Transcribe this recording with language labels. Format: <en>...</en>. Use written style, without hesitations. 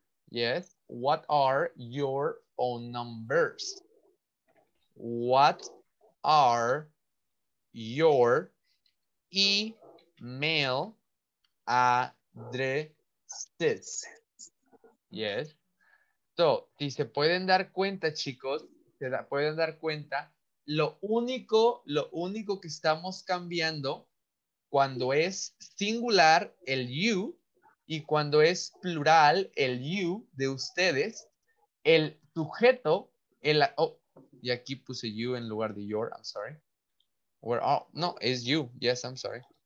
<en>Yes, what are your phone numbers? What are your email addresses? Yes.</en> <es>So, si se pueden dar cuenta, chicos, pueden dar cuenta, lo único que estamos cambiando cuando es singular el you y cuando es plural el you de ustedes, el sujeto, y aquí puse you en lugar de your,</es> <en>I'm sorry. Where are,</en> <es>no, es</es> <en>you, yes, I'm sorry.</en>